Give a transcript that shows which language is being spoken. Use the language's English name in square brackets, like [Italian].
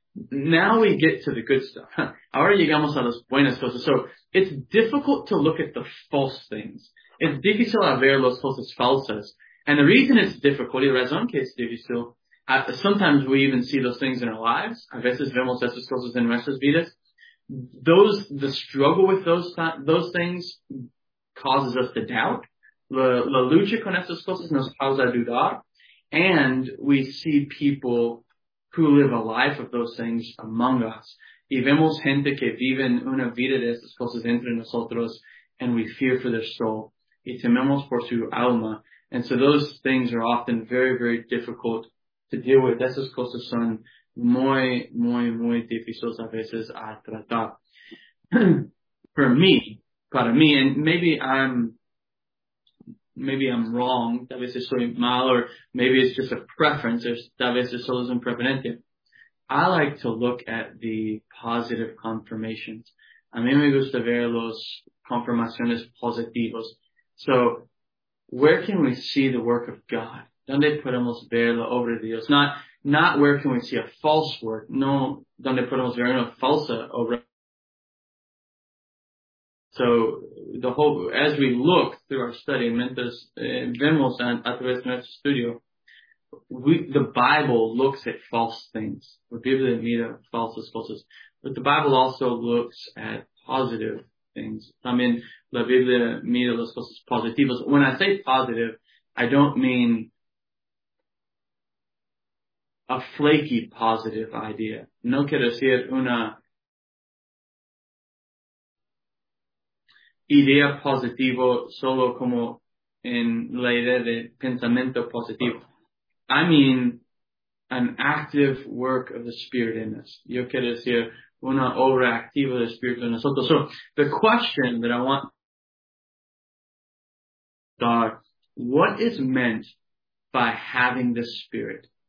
[English] Now we get to the good stuff. [Spanish] Ahora llegamos a las buenas cosas. [English] So it's difficult to look at the false things. [Spanish] Es difícil a ver las cosas falsas. [English] And the reason it's difficult, [Spanish] y la razón que es difícil, [English] sometimes we even see those things in our lives. [Spanish] A veces vemos esas cosas en nuestras vidas. [English] The struggle with those things causes us to doubt. [Spanish] La lucha con esas cosas nos causa dudar. [English] And we see people who live a life of those things among us. [Spanish] Y vemos gente que vive una vida de estas cosas entre nosotros, [English] and we fear for their soul. [Spanish] Y tememos por su alma. [English] And so those things are often very, very difficult to deal with. [Spanish] Esas cosas son muy, muy, muy difíciles a veces a tratar. Para mí, [English] and maybe I'm wrong, [Spanish] tal vez estoy mal, [English] or maybe it's just a preference, or [Spanish] tal vez es solo un preferente. [English] I like to look at the positive confirmations. [Spanish] A mí me gusta ver los confirmaciones positivos. [English] So, where can we see the work of God? [Spanish] ¿Dónde podemos ver la obra de Dios? [English] Not where can we see a false work. [Spanish] No, ¿dónde podemos ver una falsa obra? [English] So the whole, as we look through our study, [Spanish] mientras vemos a través de nuestro estudio, [English] the Bible looks at false things. [Spanish] La Biblia mira falsas cosas. [English] But the Bible also looks at positive things. [Spanish] También la Biblia mira las cosas positivas. [English] When I say positive, I don't mean a flaky positive idea. [Spanish] No quiero decir una idea positivo solo como en la idea de pensamiento positivo. [English] I mean an active work of the Spirit in us. [Spanish] Yo quiero decir una obra activa del Espíritu en nosotros. [English] So the question that I want to ask, what is meant by having the Spirit?